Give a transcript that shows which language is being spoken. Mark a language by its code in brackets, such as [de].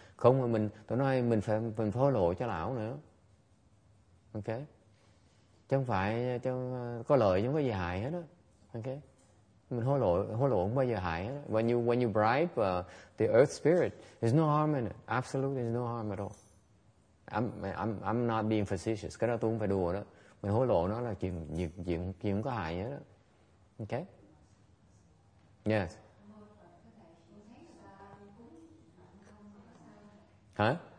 [vi] Không mà mình phối lộ cho lão nữa, ok, chứ không phải cho có lợi chứ không có gì hại hết đó, ok, mình hối lộ không bao giờ hại hết đó. [en] When you bribe the earth spirit, there's no harm in it, absolutely there's no harm at all. I'm not being facetious, [vi] cái đó tôi không phải đùa đó, mình hối lộ nó là chuyện không có hại hết đó, ok, yes. Hả?